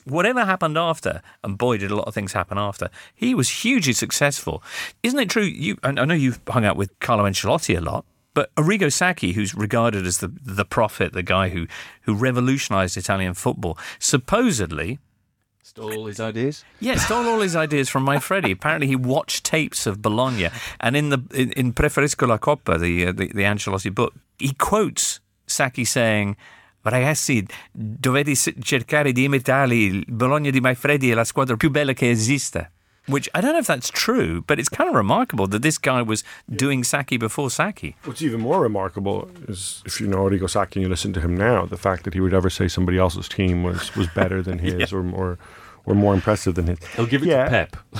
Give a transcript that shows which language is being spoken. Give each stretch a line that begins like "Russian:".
English: Whatever happened after, and boy, did a lot of things happen after, he was hugely successful. Isn't it true? I know you've hung out with Carlo Ancelotti a lot. But Arrigo Sacchi, who's regarded as the prophet, the guy who revolutionised Italian football, supposedly stole all his ideas? Yeah, stole all his ideas from Maifredi. Apparently he watched tapes of Bologna. And in Preferisco la Coppa, the Ancelotti book, he quotes Sacchi saying,
Italian: ragazzi, dovete cercare di imitare Bologna di Maifredi e la squadra più bella che esista.
English: Which, I don't know if that's true, but it's kind of remarkable that this guy was doing Sacchi before Sacchi. What's even more remarkable is, if you know Arrigo Sacchi and you listen to him now, the fact that he would ever say somebody else's team was better than his or more impressive than his. He'll give it to Pep.